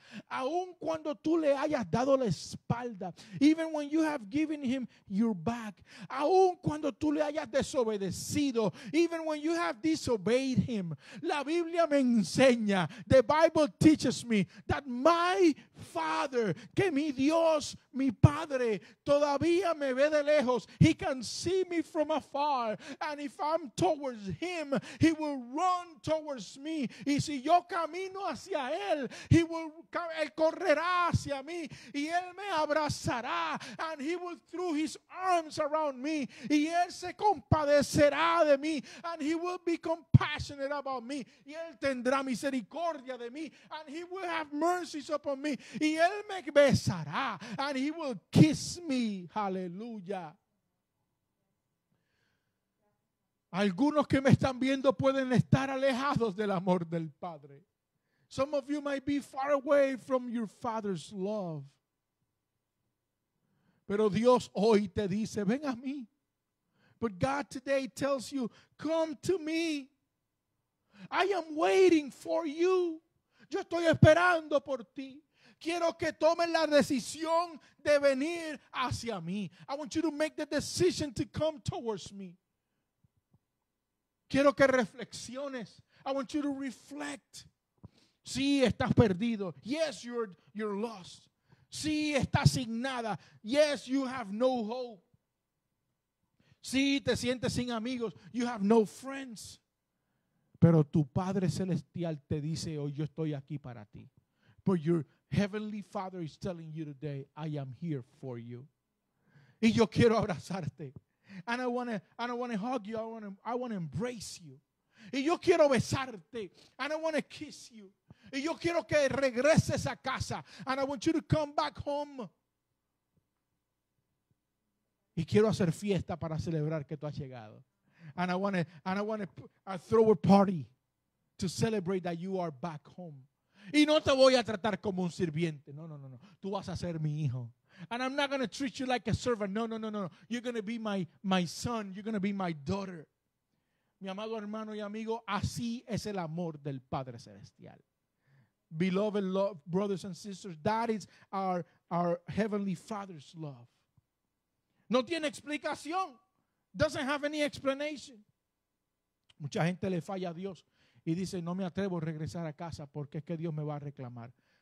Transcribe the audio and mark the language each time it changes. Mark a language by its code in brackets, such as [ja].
[es] aun cuando tú le hayas dado la espalda, [en] even when you have given him your back, [es] aun cuando tú le hayas desobedecido, [en] even when you have disobeyed him, [es] la Biblia me enseña, [en] the Bible teaches me that my Father, [es] que mi Dios, mi Padre, todavía me ve de lejos. [en] He can see me from afar. And if I'm towards him, he will run towards me. [es] Y si yo camino hacia él, él correrá hacia mí. Y él me abrazará. [en] And he will throw his arms around me. [es] Y él se compadecerá de mí. [en] And he will be compassionate about me. [es] Y él tendrá misericordia de mí. [en] And he will have mercies upon me. [es] Y él me besará. [en] And he will kiss me. Hallelujah. [es] Algunos que me están viendo pueden estar alejados del amor del Padre. [en] Some of you might be far away from your father's love. [es] Pero Dios hoy te dice, ven a mí. [en] But God today tells you, come to me. I am waiting for you. [es] Yo estoy esperando por ti. Quiero que tomen la decisión de venir hacia mí. [en] I want you to make the decision to come towards me. [es] Quiero que reflexiones. [en] I want you to reflect. [es] Sí, estás perdido. [en] Yes, you're lost. [es] Sí, estás sin nada. [en] Yes, you have no hope. [es] Sí, te sientes sin amigos. [en] You have no friends. [es] Pero tu Padre Celestial te dice, hoy yo estoy aquí para ti. [en] But your Heavenly Father is telling you today, I am here for you. [es] Y yo quiero abrazarte. [en] And I want to hug you. I want to embrace you. [es] Y yo quiero besarte. [en] And I want to kiss you. [es] Y yo quiero que regreses a casa. [en] And I want you to come back home. [es] Y quiero hacer fiesta para celebrar que tú has llegado. And I want to throw a party to celebrate that you are back home. Y no te voy a tratar como un sirviente. No. Tú vas a ser mi hijo. [en] And I'm not going to treat you like a servant. No. You're going to be my son. You're going to be my daughter. [es] Mi amado hermano y amigo, así es el amor del Padre Celestial. [en] Beloved love, brothers and sisters, that is our Heavenly Father's love. [es] No tiene explicación. [en] Doesn't have any explanation. [es] Mucha gente le falla a Dios y dice, no me atrevo a regresar a casa porque es que Dios me va a reclamar.